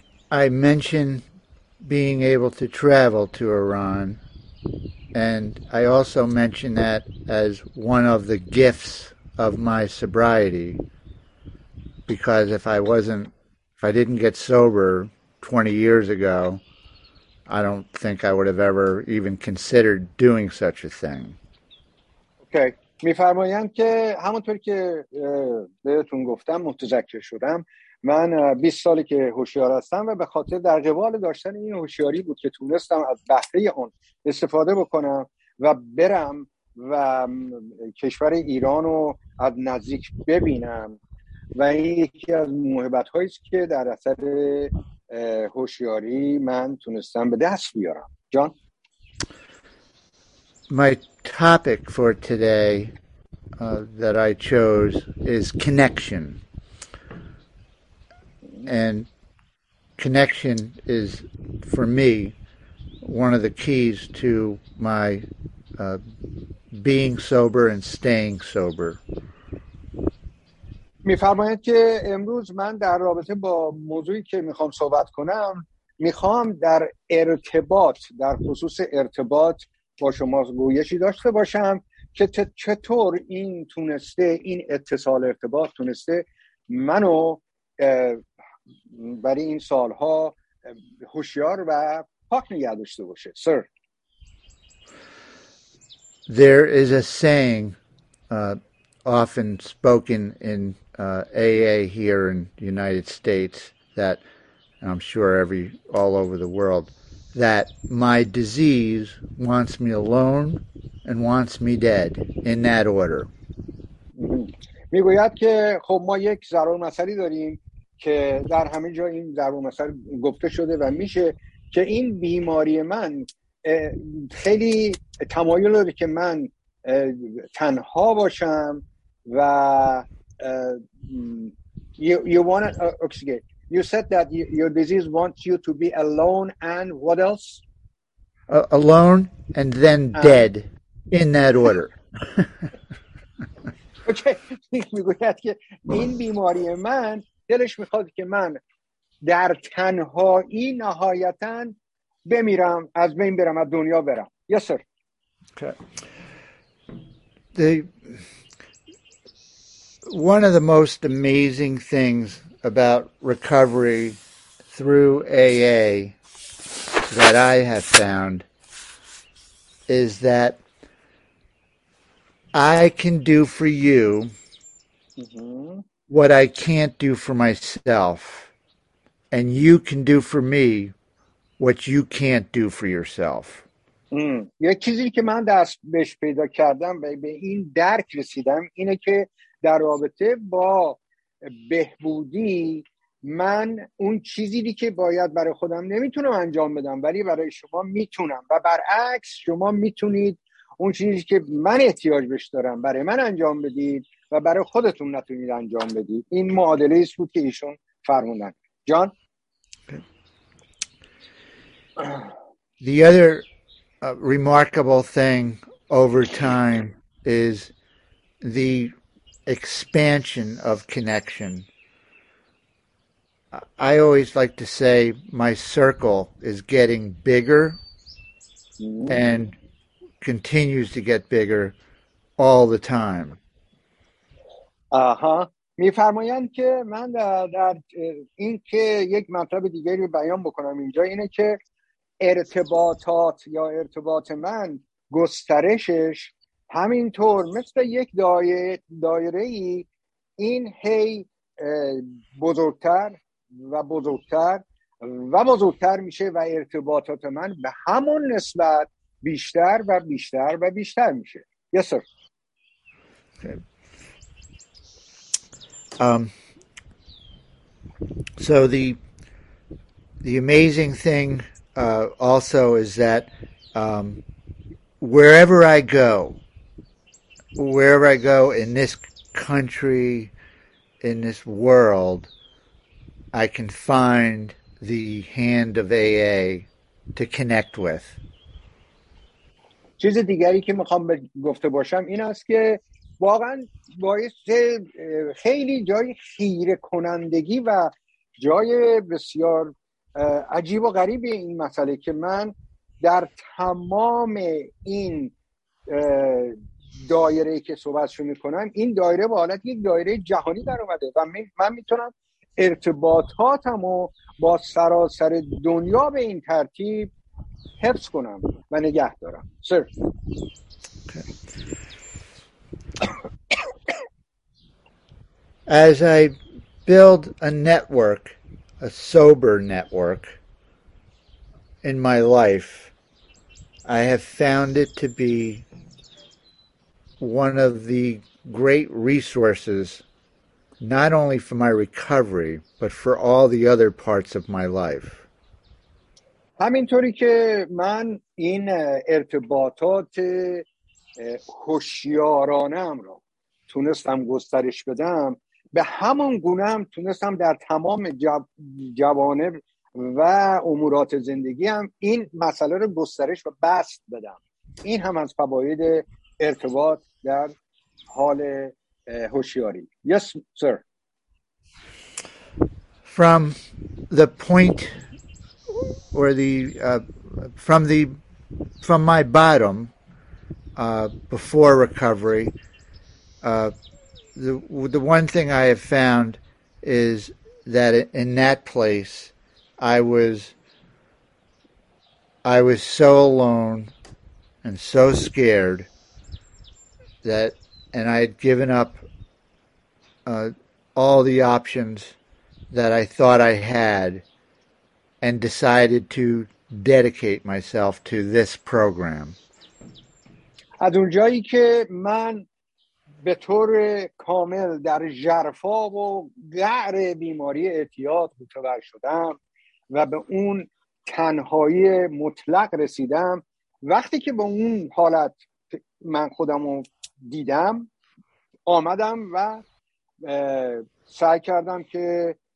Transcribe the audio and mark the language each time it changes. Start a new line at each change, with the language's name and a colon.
English: I mentioned being able to travel to Iran, and I also mentioned that as one of the gifts of my sobriety, because if I didn't get sober 20 years ago, I don't think I would have ever even considered doing such a thing. Okay.
Persian: می فرمایم که همونطور که بهتون گفتم متذکر شدم، من 20 سالی که هوشیار هستم و به خاطر در قبال داشتن این هوشیاری بود که تونستم از بهره اون استفاده بکنم و برم و کشور ایران رو از نزدیک ببینم و این یکی از موهبت هایی است که در اثر هوشیاری من تونستم به دست بیارم. جان،
English: my topic for today that I chose is connection. And connection is, for me, one of the keys to my being sober and staying sober.
Persian: می فرمایید که امروز من در رابطه با موضوعی که میخوام صحبت کنم، میخوام در ارتباط، در خصوص ارتباط با شما گویشی داشته باشم که چطور این تونسته، این اتصال ارتباط تونسته منو برای این سالها هوشیار و پاک نگه داشته باشه.
English: Sir, There is a saying often spoken in AA here in the United States that I'm sure all over the world, that my disease wants me alone and wants me dead, in that order.
Persian: میگوید که خب ما یک ضرب المثلی داریم که در همه جا این ضرب المثل گفته شده و میشه که این بیماری من خیلی تمایل داره که من تنها باشم و
English: you want oxygen. You said that your disease wants you to be alone and what else? Alone and then dead, in that order.
Persian: اوکی میگوید که این بیماری من دلش میخواد که من در تنهایی نهایتا بمیرم از بین برم از دنیا برم
English: Yes sir One of the most amazing things about recovery through AA that I have found is that I can do for you what I can't do for myself, and you can do for me what you can't do for yourself.
Persian: یه چیزی که من دست بهش پیدا کردم و به این درک رسیدم اینه که در رابطه با بهبودی من اون چیزی که باید برای خودم نمیتونم انجام بدم ولی برای شما میتونم و برعکس شما میتونید اون چیزی که من احتیاج بهش دارم برای من انجام بدید و برای خودتون نتونید انجام بدید. این معادله ایست بود که ایشون فرمودن. جان؟
English: The other remarkable thing over time is the expansion of connection. I always like to say my circle is getting bigger and continues to get bigger all the time.
Persian: می فرمایند که من در این که یک مطلب دیگری بیان بکنم اینجا اینه که ارتباطات یا ارتباط من گسترشش همینطور مثل یک دایره‌ای این هی بزرگتر و بزرگتر و بزرگتر میشه و ارتباطات من به همون نسبت بیشتر و بیشتر و بیشتر میشه.
English: Yes, sir. So the amazing thing also is that wherever I go in this country, in this world, I can find the hand of AA to connect with.
Persian: چیز دیگری که میخوام گفته باشم این است که واقعا باعث خیلی جای خیره کنندگی و جای بسیار عجیب و غریب این مسئله که من در تمام این دایره که صحبتشو میکنم این دایره با حالت یک دایره جهانی در اومده و من میتونم ارتباطاتمو با سراسر دنیا به این ترتیب حفظ کنم و نگه دارم.
English: Sir. As I build a network, a sober network in my life, I have found it to be one of the great resources, not only for my recovery, but for all the other parts of my life.
Persian: همینطوری که من این ارتباطات هوشیارانم را تونستم گسترش بدم به همون گونه هم تونستم در تمام جوانب و امورات زندگیم این مسئله رو گسترش و بسط بدم. این هم از فواید ارتباط در حال هوشیاری.
English: Yes, sir. From the point or the from my bottom before recovery, the one thing I have found is that in that place I was so alone and so scared that and I had given up all the options that I thought I had and decided to dedicate myself to this program.
Persian: از اونجایی که من به طور کامل در ژرفا و قعر بیماری اعتیاد متوجه شدم و به اون تنهایی مطلق رسیدم وقتی که به اون حالت من خودم رو دیدم آمدم و سعی کردم که